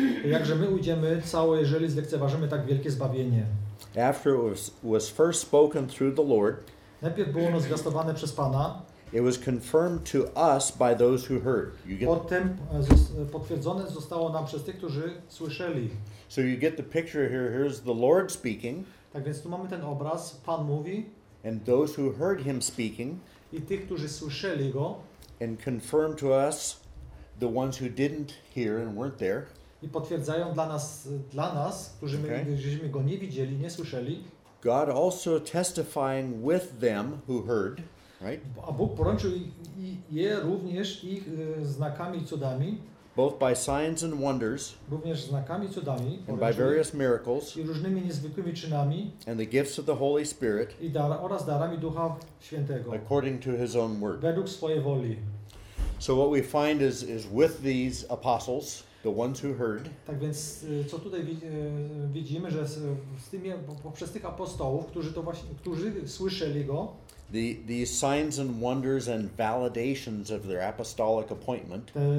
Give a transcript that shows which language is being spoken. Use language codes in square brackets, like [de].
[pl] Jakże my ujdziemy całe, jeżeli zlekceważymy tak wielkie zbawienie? [en] After it was first spoken through the Lord, [pl] najpierw było ono zwiastowane przez Pana. [en] It was confirmed to us by those who heard. [pl] Potem potwierdzone zostało nam przez tych, którzy słyszeli. [en] So you get the picture here. Here's the Lord speaking. [pl] Tak więc tu mamy ten obraz. Pan mówi. [en] And those who heard him speaking. [pl] I tych, którzy słyszeli go. [en] And confirmed to us the ones who didn't hear and weren't there. [pl] I potwierdzają dla nas, którzy my, okay, żeśmy go nie widzieli, nie słyszeli. [en] God also testifying with them who heard, right? [pl] A Bóg poręczył je również ich znakami i cudami. [en] Both by signs and wonders. [pl] Również znakami i cudami. [en] And by various miracles. [pl] I różnymi niezwykłymi czynami. [en] And the gifts of the Holy Spirit. [pl] Oraz darami Ducha Świętego. [en] According to his own word. [pl] Według swojej woli. [en] So what we find is with these apostles. The ones who heard. [pl] Tak więc co tutaj widzimy, że z tymi poprzez tych apostołów, którzy to właśnie, którzy słyszeli go. [en] The signs and wonders and validations of their apostolic appointment.